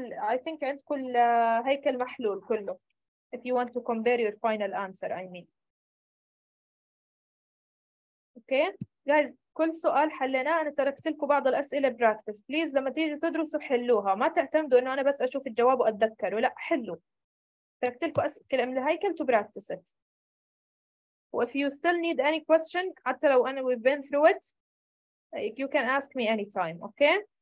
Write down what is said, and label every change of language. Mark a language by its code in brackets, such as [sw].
[en] I think [ar] عندكم هيكل محلول كله. [en] If you want to compare your final answer, I mean. Okay, guys, [ar] كل سؤال حليناه أنا تركت لكم بعض الأسئلة practice. [en] Please, [ar] لما تيجي تدرسوا حلوها. ما تعتمدوا إنه أنا بس أشوف الجواب وأتذكره. لا, حلو. تركت لكم أسئلة من الهيكل [en] to practice it. If you still need any question, [ar] حتى لو أنا [en] we've been through it, you can ask me anytime, okay?